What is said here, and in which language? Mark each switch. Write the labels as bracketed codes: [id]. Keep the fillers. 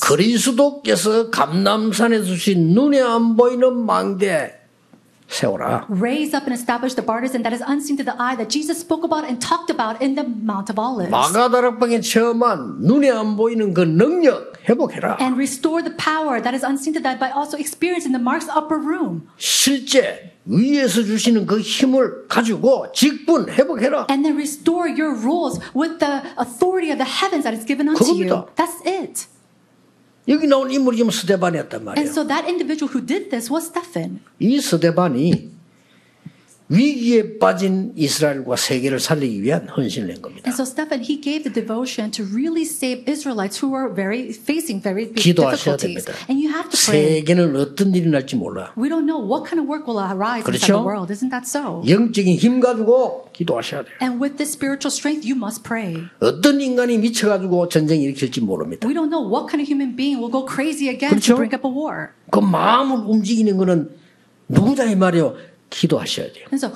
[ko] 그리스도께서 감남산에 주신 눈에 안 보이는 망대. 세워라. [en] Raise up and establish the partisan that is unseen to the eye that Jesus spoke about and talked about in the Mount of Olives. [ko] 마가다락방에 처한 눈에 안 보이는 그 능력 회복해라. [en] And restore the power that is unseen to the eye by also experiencing the Mark's upper room. [ko] 실제 위에서 주시는 그 힘을 가지고 직분 회복해라. [en] And then restore your rules with the authority of the heavens that is given unto 그겁니다. you. That's it. 그겁니다. [ko] 여기 나온 인물이 스데반이었단 말이에요. [en] And so that individual who did this was Stephen. [ko] 이 스데반이 위기에 빠진 이스라엘과 세계를 살리기 위한 헌신을 낸 겁니다. [en] And so Stephen he gave the devotion to really save Israelites who were very facing very big difficulties. And you have to pray. [ko] 세계는 어떤 일이 날지 몰라. [en] We don't know what kind of work will arise 그렇죠? in the world. Isn't that so? [ko] 영적인 힘 가지고 기도하셔야 돼요. [en] And with this spiritual strength you must pray. [ko] 어떤 인간이 미쳐 가지고 전쟁 일으킬지 모릅니다. [en] We don't know what kind of human being will go crazy again 그렇죠? to bring up a war. [ko] 그 마음을 움직이는 거는 누구다 이 말이요. 기도하셔야 돼요.